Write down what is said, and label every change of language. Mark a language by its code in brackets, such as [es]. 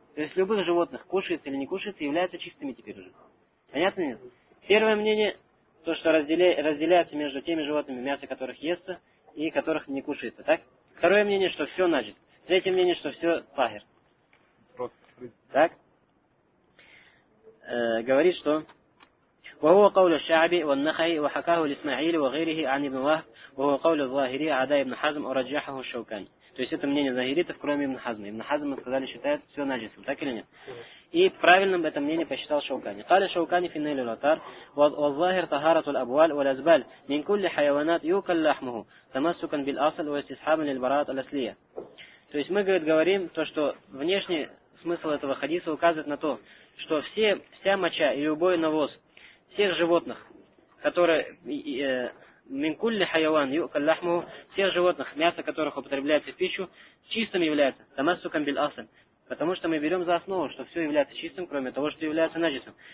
[ru] То есть любых животных, кушается или не кушается, являются чистыми теперь уже. Понятно нет? Первое мнение, то, что разделяется между теми животными, мясо которых естся и которых не кушается. Так? Второе мнение, что все наджис. Третье мнение, что все тахир. Так? Говорит, что [ar] وهو قول الشعبي والنخعي وحكاه الإسماعيلي وغيره عن ابن وهب وهو قول الظاهري عدا ابن حزم ورجحه الشوكاني. [ru] То есть это мнение Захиритов, кроме ابن حزم. ابن حزم, мы сказали, считает все наджисом, так или нет? И правильным это мнение посчитал Шаукани. [ar] قال الشوكاني في نيل الأطار والظاهر طهارة الأبوال والأزبال من كل حيوانات يوكل لحمه تمسكا بالأصل واستصحابا للبراءات الأصلية. [ru] То есть мы говорим то, что внешний смысл этого хадиса указывает на то, что вся моча и любой навоз всех животных, которые [ar] минкулли хайван юкаль лахму, [ru] всех животных, мясо которых употребляется в пищу, чистым является [ar] тамассукан биль асль, [ru] потому что мы берем за основу, что все является чистым, кроме того, что является наджисом.